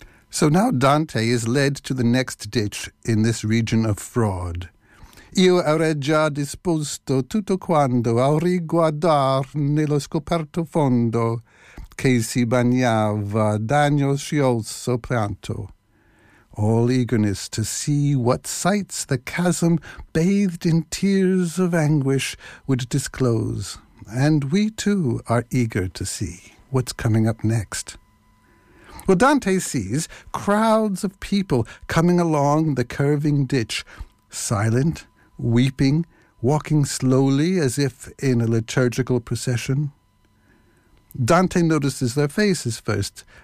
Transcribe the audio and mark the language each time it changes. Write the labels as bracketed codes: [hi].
[en] So now Dante is led to the next ditch in this region of fraud. [it] Io ero già disposto tutto quando a riguardar nello scoperto fondo che si bagnava d'agno scioso pianto. [en] All eagerness to see what sights the chasm bathed in tears of anguish would disclose. And we too are eager to see what's coming up next. Well, Dante sees crowds of people coming along the curving ditch, silent, weeping, walking slowly as if in a liturgical procession. Dante notices their faces first,